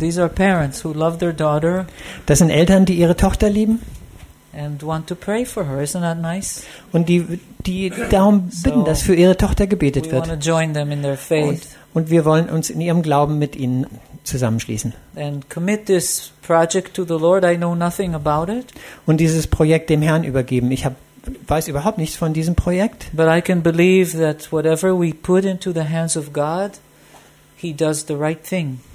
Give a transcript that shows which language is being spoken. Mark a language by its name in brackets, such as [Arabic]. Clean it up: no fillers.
[English] These are parents who love their daughter. [German] Das sind Eltern, die ihre Tochter lieben. [English] And want to pray for her. Isn't that nice? [German] Und die darum bitten, so, dass für ihre Tochter gebetet wird. [English] We want to join them in their faith. [German] Und wir wollen uns in ihrem Glauben mit ihnen zusammenschließen. [English] And commit this project to the Lord. I know nothing about it. [German] Und dieses Projekt dem Herrn übergeben. Ich weiß überhaupt nichts von diesem Projekt. [English] But I can believe that whatever we put into the hands of God, He does the right thing.